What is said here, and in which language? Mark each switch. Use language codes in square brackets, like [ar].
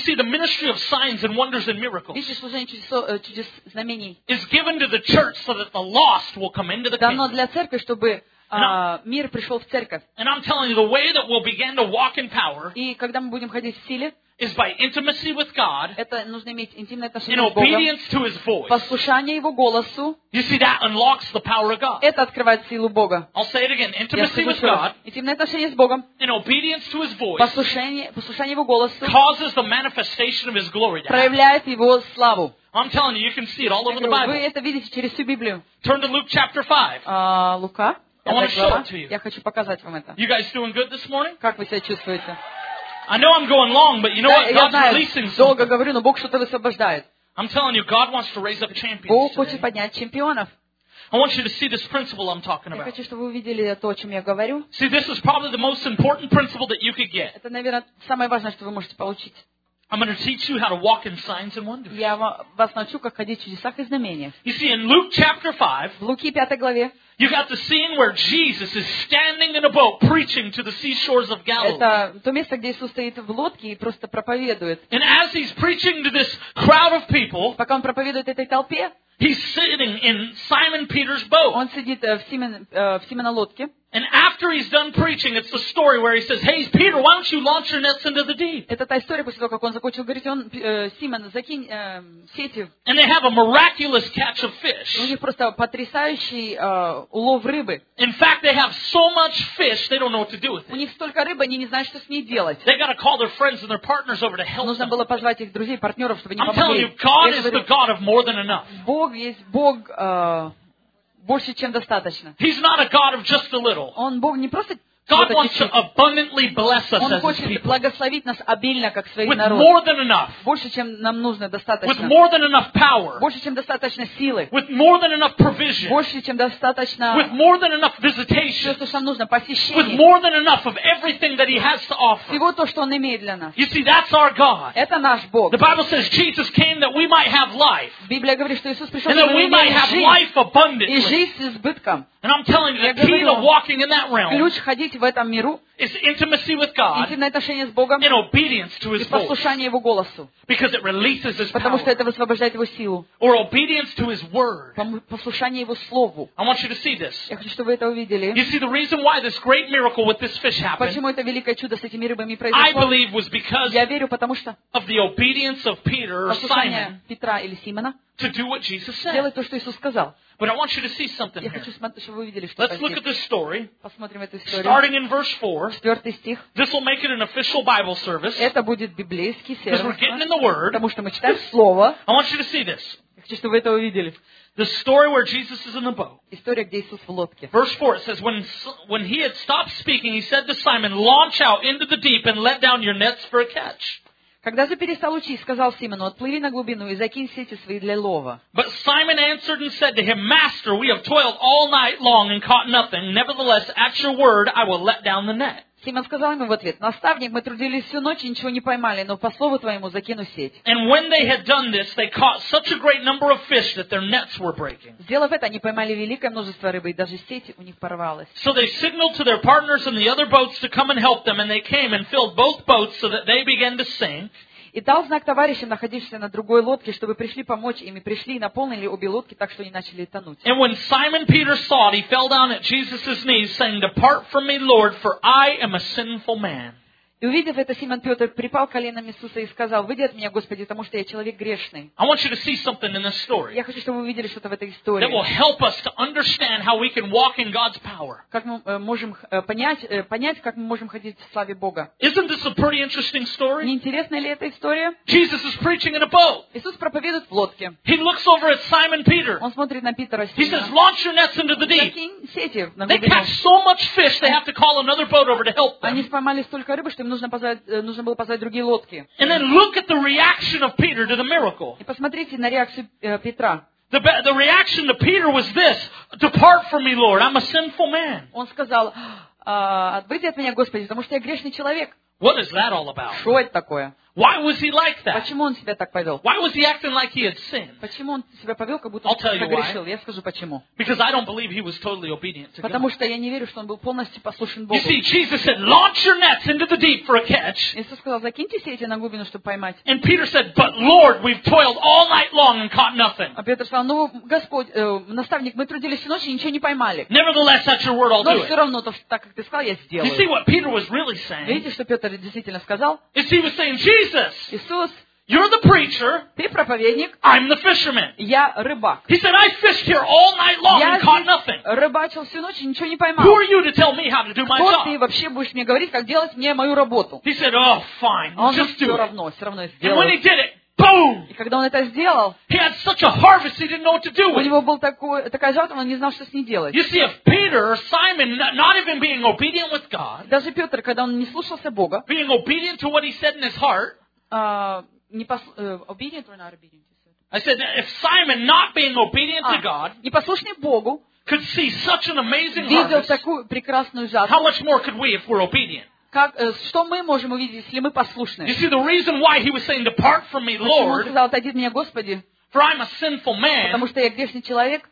[en] see, the ministry of signs and wonders and miracles is given to the church so that the lost will come into the kingdom. [ru] Мир пришел в церковь. [en] And I'm telling you, the way that we'll begin to walk in power [ru] силе, [en] is by intimacy with God, in obedience to His voice. [ru] Голосу, [en] you see, that unlocks the power of God. [ru] Это открывает силу Бога. [en] I'll say it again. Intimacy with God, [ru] интимные отношения с Богом, [en] in obedience to His voice, [ru] послушание Его голосу, [en] causes the manifestation of His glory. [ru] Проявляет Его славу. [en] I'm telling you, you can see it all over the Bible. [ru] Вы это видите через всю Библию. [en] Turn to Luke chapter 5. [ru] Лука. [en] I want to show it to you. [ru] Я хочу показать вам это. [en] You guys doing good this morning? [ru] Как вы себя чувствуете? [en] I know I'm going long, but you know what? God's releasing something. [ru] Долго говорю, но Бог что-то высвобождает. [en] I'm telling you, God wants to raise up champions. [ru] Бог хочет поднять чемпионов. [en] I want you to see this principle I'm talking about. [ru] Я хочу, чтобы вы увидели то, о чем я говорю. [en] See, this is probably the most important principle that you could get. [ru] Это, наверное, самое важное, что вы можете получить. [en] I'm going to teach you how to walk in signs and wonders. [ru] Я вас научу, как ходить в чудесах и знамениях. [en] You see, in Luke chapter 5, [ru] в Луки 5 главе, [en] you got the scene where Jesus is standing in a boat preaching to the seashores of Galilee. [ru] Это то место, где Иисус стоит в лодке и просто проповедует. [en] And as he's preaching to this crowd of people, [ru] пока он проповедует этой толпе, [en] he's sitting in Simon Peter's boat. [ru] Он сидит в Симона лодке. [en] And after he's done preaching, it's the story where he says, "Hey, Peter, why don't you launch your nets into the deep?" [ru] Это та история после того, как он закончил говорить, он Симон, закинь сети. [en] And they have a miraculous catch of fish. [ru] У них просто потрясающий улов рыбы. [en] In fact, they have so much fish they don't know what to do with it. [ru] У них столько рыбы, они не знают, что с ней делать. [en] They got to call their friends and their partners over to help. [ru] Нужно было позвать их друзей, партнеров, чтобы они помогли. [en] I'm telling you, God is the God of more than enough. [ru] Бог есть Бог. Больше, чем достаточно. [en] He's not a God of just a little. [ru] Он Бог не просто [en] God wants to abundantly bless us. [ru] Он хочет благословить нас обильно, как свой народ. [en] With more than enough. [ru] Больше, чем нам нужно, достаточно. [en] With more than enough power. [ru] Больше, чем достаточно силы. [en] With more than enough provision. [ru] Больше, чем достаточно. [en] With more than enough visitation. [ru] Все, что нам нужно, посещение. [en] With more than enough of everything that He has to offer. [ru] Всего то, что Он имеет для нас. [en] You see, that's our God. [ru] Это наш Бог. [en] The Bible says Jesus came that we might have life. [ru] Библия говорит, что Иисус пришел, чтобы мы имели жизнь. [en] And that we might have life abundantly. [ru] И жизнь с избытком. [en] And I'm telling you, the key to walking in that realm. [ru] Ключ ходить в этом миру, [en] is intimacy with God, [ru] интимное отношение с Богом, [en] and obedience to His voice, [ru] и послушание Его голосу, [en] because it releases His [ru] потому что это высвобождает Его силу, [en] or obedience to His word, [ru] послушание Его слову. [en] I want you to see this. [ru] Я хочу, чтобы вы это увидели. [en] You see, the reason why this great miracle with this fish happened, [ru] почему это великое чудо с этими рыбами произошло, [en] I believe was because, [ru] я верю, потому что [en] of the obedience of Peter or Simon, [ru] Петра или Симона, [en] to do what Jesus said, [ru] делать то, что Иисус сказал. [en] But I want you to see something here. [ru] Я хочу, чтобы вы видели, что [en] Let's look at this story. [ru] Посмотрим эту историю. [en] Starting in verse 4. [ru] Четвертый стих. [en] This will make it an official Bible service. [ru] Это будет библейский сервис. [en] Because we're getting in the Word. [ru] Потому что мы читаем Слово. [en] I want you to see this. [ru] Я хочу, чтобы вы это увидели. [en] The story where Jesus is in the boat. [ru] История, где Иисус в лодке. [en] Verse 4, it says, when he had stopped speaking, he said to Simon, launch out into the deep and let down your nets for a catch. [ru] Когда же перестал учить, сказал Симону, отплыви на глубину и закинь сети свои для лова. [en] But Simon answered and said to him, Master, we have toiled all night long and caught nothing. Nevertheless, at your word, I will let down the net. [ru] Симон сказал ему в ответ, Наставник, мы трудились всю ночь и ничего не поймали, но по слову твоему закину сеть. [en] And when they had done this, they caught such a great number of fish that their nets were breaking. [ru] Сделав это, они поймали великое множество рыбы, и даже сеть у них порвалась. [en] So they signaled to their partners in the other boats to come and help them, and they came and filled both boats so that they began to sink. [ru] И дал знак товарищам, находившимся на другой лодке, чтобы пришли помочь им, и пришли и наполнили обе лодки так, что они начали тонуть. [en] And when Simon Peter saw it, he fell down at Jesus' knees, saying, Depart from me, Lord, for I am a sinful man. [ru] И увидев это, Симон Петр припал коленом Иисуса и сказал, «Выйди от меня, Господи, потому что я человек грешный». Я хочу, чтобы вы увидели что-то в этой истории, как мы можем понять, как мы можем ходить в славе Бога. Не интересная ли эта история? [en] Jesus is preaching in a boat. [ru] Иисус проповедует в лодке. [en] He looks over at Simon Peter. [ru] Он смотрит на Питера Симона. [en] He says, launch your nets into the deep. [ru] Закинь сети на глубину. [en] They catch so much fish, they have to call another boat over to help them. [ru] Они споймали столько рыбы, что им нужно было позвать другие лодки. [en] And then look at the reaction of Peter to the miracle. [ru] И посмотрите на реакцию Петра. [en] The reaction to Peter was this: Depart from me, Lord, I'm a sinful man. [ru] Он сказал: «Отбыть от меня, Господи, потому что я грешный человек». [en] What is that all about? [ru] Что это такое? [en] Why was he like that? [ru] Почему он себя так повел? [en] Why was he acting like he had sinned? [ru] Почему он себя повел, как будто он согрешил? Я скажу почему. [en] Because I don't believe he was totally obedient to God. [ru] Потому что я не верю, что он был полностью послушен Богу. [en] You see, Jesus said, "Launch your nets into the deep for a catch." [ru] Иисус сказал, закиньте сети на глубину, чтобы поймать. [en] And Peter said, "But Lord, we've toiled all night long and caught nothing." [ru] А Петр сказал, ну Господь, наставник, мы трудились всю ночь и ничего не поймали. [en] Nevertheless, that's your word, I'll do it. [ru] Но все равно то, так как ты сказал, я сделаю. [en] You see what Peter was really saying? [ru] Видите, что Петр действительно сказал? [en] Is he was saying, Jesus? [ru] Иисус. [en] You're the preacher. [ru] Ты проповедник. [en] I'm the fisherman. [ru] Я рыбак. [en] He said, I fished here all night long and caught nothing. [ru] Я рыбачил всю ночь и ничего не поймал. [en] Who are you to tell me how to do my job? [ru] Кто ты вообще будешь мне говорить, как делать мне мою работу? [en] He said, oh, fine, just do it. [ru] Все равно я сделаю. [en] And when he did it, boom! [ru] И когда он это сделал, [en] he had such a harvest he didn't know what to do with. [ru] У него был такая жатва, он не знал, что с ней делать. [en] You see, if Peter or Simon, not even being obedient with God, [ru] даже Петр, когда он не слушался Бога, [en] being obedient to what he said in his heart, obedient or not obedient, I said, if Simon, not being obedient to God, [ru] непослушный Богу, [en] could see such an amazing harvest, how much more could we if we're obedient? [ru] Как, что мы можем увидеть, если мы послушны? [en] You see, the reason why he was saying, depart from me, Lord, [ru] почему он сказал, отойди от меня, Господи, [en] for I'm a sinful man, [ru] потому что я грешный человек,